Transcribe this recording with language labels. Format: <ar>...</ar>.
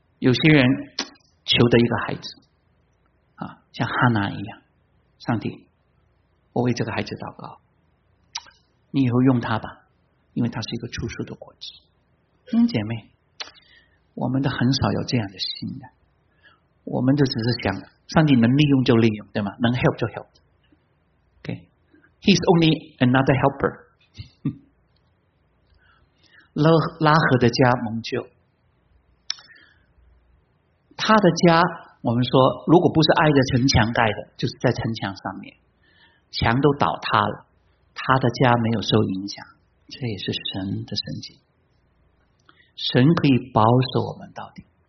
<zh>有些人求的一个孩子啊，像哈拿一样，上帝，我为这个孩子祷告，你以后用他吧，因为他是一个初熟的果子。兄姐妹，我们都很少有这样的心的，我们就只是想上帝能利用就利用，对吗？能</zh> <en>help</en> <zh>就</zh> <en>help。 OK, He's only another helper。</en> <zh>拉合的家蒙救，他的家，我们说如果不是挨着城墙盖的，就是在城墙上面，墙都倒塌了，他的家没有受影响。这也是神的神迹，神可以保守我们到底。</zh>